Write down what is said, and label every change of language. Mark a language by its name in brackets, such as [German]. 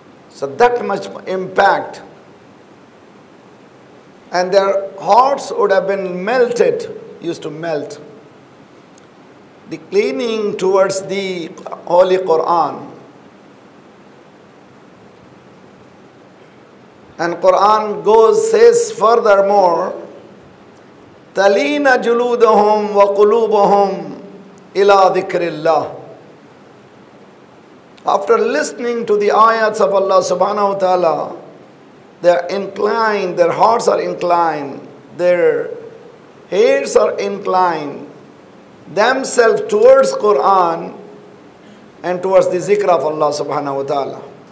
[English] So that much impact. And their hearts would have been melted, used to melt. The clinging towards the Holy Quran. And Quran goes, says furthermore, [Arabic] تَلِينَ جُلُودَهُمْ وَقُلُوبَهُمْ إِلَىٰ ذِكْرِ اللَّهِ. [English] After listening to the ayats of Allah subhanahu wa ta'ala, they are inclined, their hearts are inclined, their hairs are inclined themselves towards Quran and towards the zikr of Allah subhanahu wa ta'ala.